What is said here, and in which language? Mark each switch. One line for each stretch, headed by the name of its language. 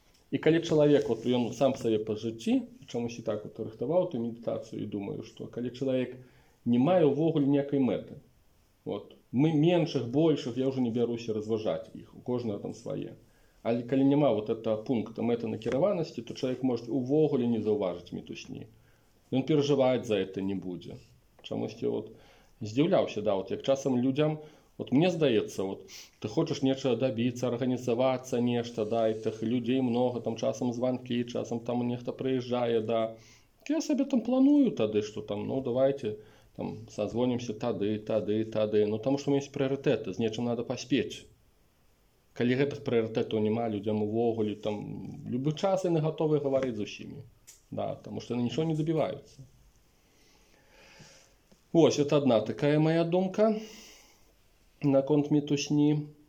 Ukrainian: І коли чоловік, от він сам себе по житті, чомусь і так от рихтував ту медитацію, і думаю, що коли чоловік не має увогуль ніякої мети, от, ми менших, більших, я вже не беруся розважати їх, у кожного там своє. Але коли нема от цього пункту мети накерованості, то чоловік може увогуль не зауважити мітусні. Він переживати за це не буде. Чомусь от
Belarusian: Здзіўляўся, да, от як часам людзям, от мне здаецца, от ты хочаш нечага дабіцца, арганізавацца нешта, да, і тых людзей многа, там часам званкі, часам там нехта прыязджае, да. Я сабе там планую тады, што там, ну, давайте там сазвонімся тады, тады, тады. Ну, таму што ў мяне ёсць прыярытэты, з нечым надо паспець. Калі гэтых прыярытэтаў няма людзям увогуле, там любы час яны гатовы гаварыць з усімі. Да, таму што яны нічога не дабіваюцца.
Russian: Вось, это одна такая моя думка на конт мітусні.